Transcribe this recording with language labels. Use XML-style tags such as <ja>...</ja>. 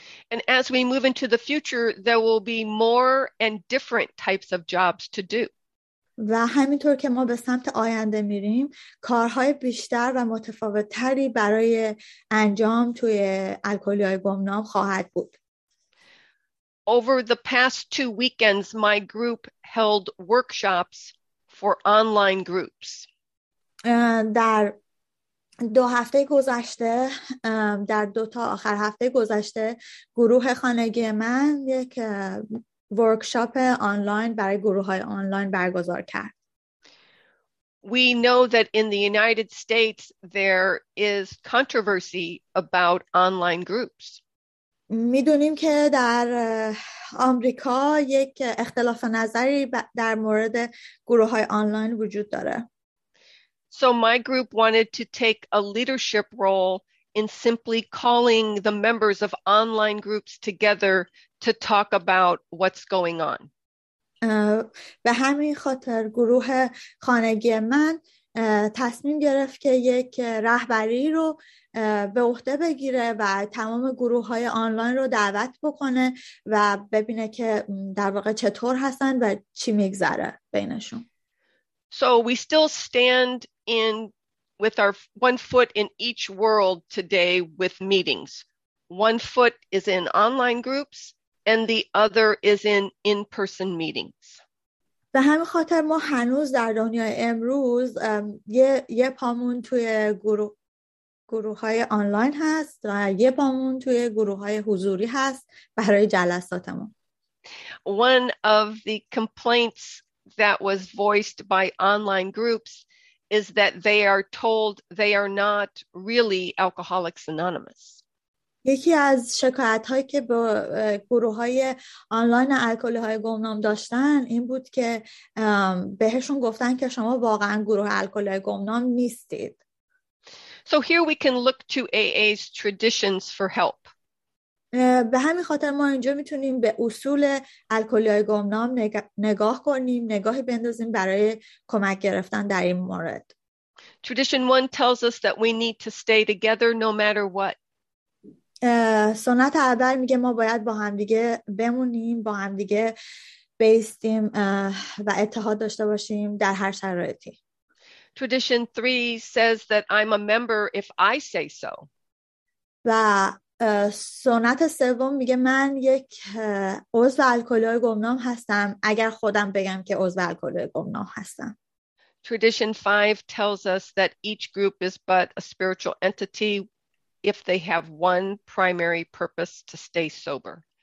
<en>And as we move into the future, there will be more and different types of jobs to do.</en> <fa>و همینطور که ما به سمت آینده میریم، کارهای بیشتر و متفاوتتری برای انجام توی الکلی های گمنام خواهد بود.</fa> <en>Over the past two weekends, my group held workshops for online groups.</en> <fa>در دو هفته گذشته، در دو تا آخر هفته گذشته، گروه خانگی من یک ورکشاپ آنلاین برای گروه‌های آنلاین برگزار کرد.</fa> <en>We know that in the United States there is controversy about online groups.</en> <fa>می‌دونیم که در آمریکا یک اختلاف نظری در مورد گروه‌های آنلاین وجود داره.</fa> <en>So my group wanted to take a leadership role in simply calling the members of online groups together to talk about what's going on.</en> <fa>به همین خاطر گروه خانگی من تصمیم گرفت که یک رهبری رو به عهده بگیره و تمام گروه های آنلاین رو دعوت بکنه و ببینه که در واقع چطور هستن و چی میگذره بینشون.</fa> <en>So we still stand in with our one foot in each world today with meetings. One foot is in online groups and the other is in-person meetings.</en> <fa>به همین خاطر ما هنوز در دنیای امروز یه پامون توی گروه‌های آنلاین هست و یه پامون توی گروه‌های حضوری هست برای جلساتمون.</fa> <en>One of the complaints that was voiced by online groups is that they are told they are not really Alcoholics Anonymous.</en> <fa>یکی از شکایت‌هایی که به گروه‌های آنلاین الکلی‌های گمنام داشتن این بود که بهشون گفتن که شما واقعاً گروه الکلی‌های گمنام نیستید.</fa> <en>So here we can look to AA's traditions for help.</en> <fa>به همین خاطر ما اینجا میتونیم به اصول الکلی‌های گمنام نگاه کنیم، نگاهی بندازیم برای کمک گرفتن در این مورد.</fa> <en>Tradition 1 tells us that we need to stay together no matter what.</en> <fa>سنت اول میگه ما باید با هم دیگه بمونیم، با هم دیگه بیستیم و اتحاد داشته باشیم در هر شرایطی.</fa> <en>Tradition 3 says that I'm a member if I say so.</en> <fa>و سنت سوم میگه من یک عضو الکلی گمنام هستم اگر خودم بگم که عضو الکلی گمنام هستم.</fa> <en>Tradition 5 tells us that each group is but a spiritual entity if they have one primary purpose to stay sober.</en>